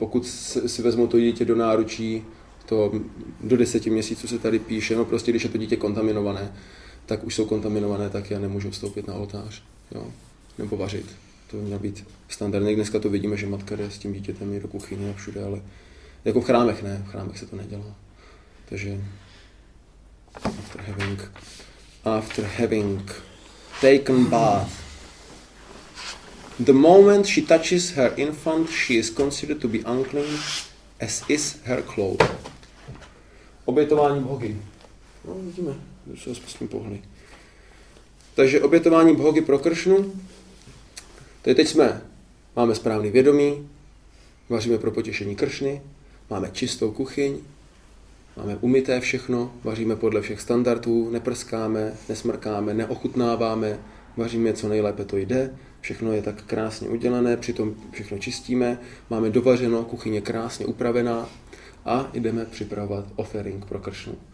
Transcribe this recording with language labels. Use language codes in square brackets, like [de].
[cs] Pokud si vezmou to dítě do náručí, to do 10 měsíců se tady píše, no prostě když je to dítě kontaminované, tak už jsou kontaminované, tak já nemůžu vstoupit na oltář, jo, nebo vařit. To měl být standardně. Dneska to vidíme, že matka jde s tím dítětem i do kuchyně a všude, ale jako v chrámech ne, v chrámech se to nedělá. [en] Takže after having taken bath, the moment she touches her infant, she is considered to be unclean, as is her clothes. [cs] Obětování bhogy. No, vidíme, když se zpustím pohli. Takže obětování bhogy pro Kršnu. Teď máme správný vědomí, vaříme pro potěšení Kršny, máme čistou kuchyň, máme umyté všechno, vaříme podle všech standardů, neprskáme, nesmrkáme, neochutnáváme, vaříme, co nejlépe to jde, všechno je tak krásně udělané, přitom všechno čistíme, máme dovařeno, kuchyň je krásně upravená a jdeme připravovat offering pro kršnu.